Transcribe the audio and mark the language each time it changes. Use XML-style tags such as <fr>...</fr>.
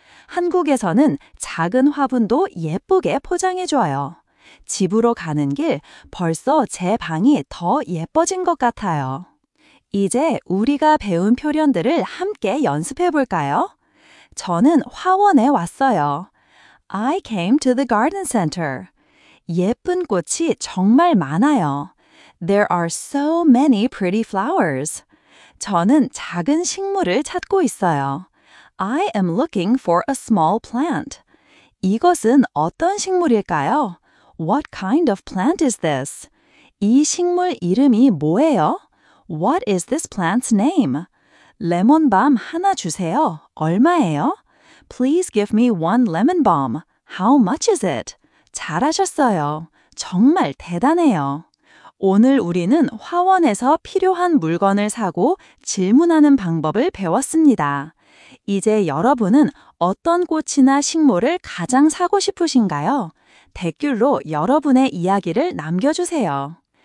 <ko>한국에서는 작은 화분도 예쁘게 포장해줘요. 집으로 가는 길 벌써 제 방이 더 예뻐진 것 같아요. 이제 우리가 배운 표현들을 함께 연습해볼까요? 저는 화원에 왔어요.</ko> <en>I came to the garden center.</en> <ko>예쁜 꽃이 정말 많아요.</ko> <en>There are so many pretty flowers.</en> <ko>저는 작은 식물을 찾고 있어요.</ko> <en>I am looking for a small plant.</en> <ko>이것은 어떤 식물일까요?</ko> <en>What kind of plant is this?</en> <ko>이 식물 이름이 뭐예요?</ko> <en>What is this plant's name?</en> <ko>레몬밤 하나 주세요. 얼마예요?</ko> <en>Please give me one lemon balm. How much is it?</en> <ko>잘하셨어요. 정말 대단해요. 오늘 우리는 화원에서 필요한 물건을 사고 질문하는 방법을 배웠습니다. 이제 여러분은 어떤 꽃이나 식물을 가장 사고 싶으신가요? 댓글로 여러분의 이야기를 남겨주세요.</ko>